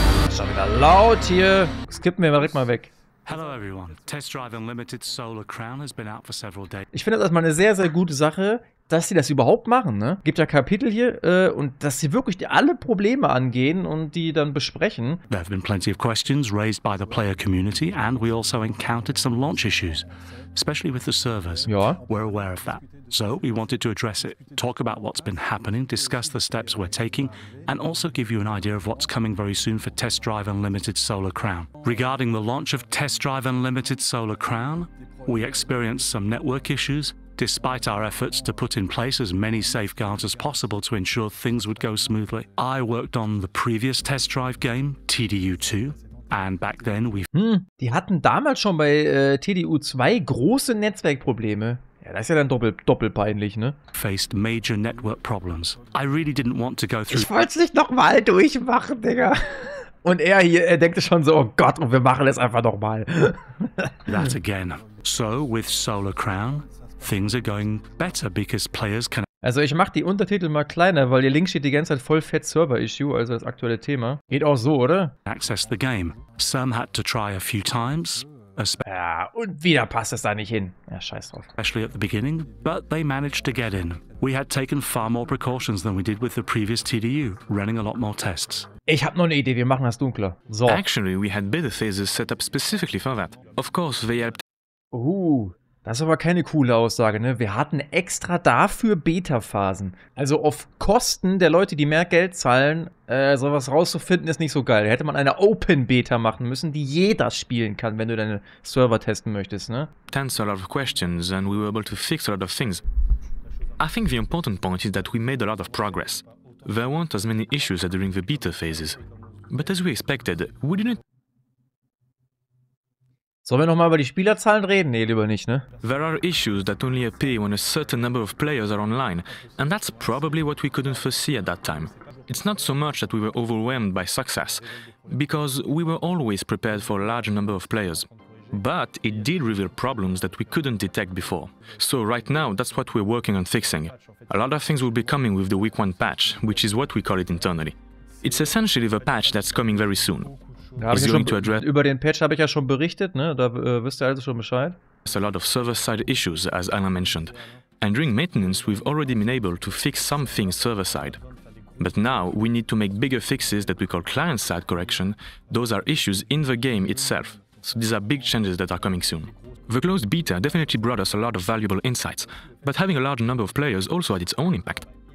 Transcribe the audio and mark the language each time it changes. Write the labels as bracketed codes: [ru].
[de] Schon wieder laut hier. Skippen wir mal direkt mal weg. [en] Hello everyone. Test Drive Unlimited Solar Crown has been out for several days. [de] Ich finde das erstmal eine sehr, sehr gute Sache, dass sie das überhaupt machen, ne? Gibt ja Kapitel hier, und dass sie wirklich alle Probleme angehen und die dann besprechen. [en] There have been plenty of questions raised by the player community and we also encountered some launch issues, especially with the servers. Ja. We're aware of that. So we wanted to address it, talk about what's been happening, discuss the steps we're taking and also give you an idea of what's coming very soon for Test Drive Unlimited Solar Crown. Regarding the launch of Test Drive Unlimited Solar Crown, we experienced some network issues. Despite our efforts to put in place as many safeguards as possible to ensure things would go smoothly, I worked on the previous test drive game, TDU2, and back then we... [de] die hatten damals schon bei TDU2 große Netzwerkprobleme. Ja, das ist ja dann doppelt peinlich, ne? [en] Faced major network problems. I really didn't want to go through... [de] Ich wollte es nicht nochmal durchmachen, Digga. Und er hier, er denkt schon so, oh Gott, und wir machen es einfach nochmal. [en] That again. So, with Solar Crown... Things are going better because players can. [de] Also ich mache die Untertitel mal kleiner, weil hier links steht die ganze Zeit voll fett Server Issue, also das aktuelle Thema. Geht auch so, oder? [en] Access the game. Some had to try a few times. [de] Ja, und wieder passt es da nicht hin. Ja, scheiß drauf. [en] Especially at the beginning, but they managed to get in. We had taken far more precautions than we did with the previous TDU, running a lot more tests. [de] Ich hab noch eine Idee, wir machen das dunkler. So. [en] Actually, we had beta phases set up specifically for that. Of course, they helped. [de] Das ist aber keine coole Aussage, ne? Wir hatten extra dafür Beta-Phasen. Also auf Kosten der Leute, die mehr Geld zahlen, sowas rauszufinden, ist nicht so geil. Da hätte man eine Open-Beta machen müssen, die jeder spielen kann, wenn du deine Server testen möchtest, ne? [en] Answer a lot of questions and we were able to fix a lot of things. I think the important point is that we made a lot of progress. There weren't as many issues during the beta phases. But as we expected, we didn't... [de] Sollen wir nochmal über die Spielerzahlen reden? Nee, lieber nicht, ne? [en] There are issues that only appear when a certain number of players are online. And that's probably what we couldn't foresee at that time. It's not so much that we were overwhelmed by success, because we were always prepared for a large number of players. But it did reveal problems that we couldn't detect before. So right now, that's what we're working on fixing. A lot of things will be coming with the week one patch, which is what we call it internally. It's essentially the patch that's coming very soon. [de] Da hab ich ja schon, über den Patch habe ich ja schon berichtet, ne? Da wisst ihr also schon Bescheid. [en] There's a lot of server-side issues, as Anna mentioned. And during maintenance, we've already been able to fix some things server-side. But now, we need to make bigger fixes that we call client-side correction. Those are issues in the game itself. So these are big changes that are coming soon. The closed beta definitely brought us a lot of valuable insights. But having a large number of players also had its own impact.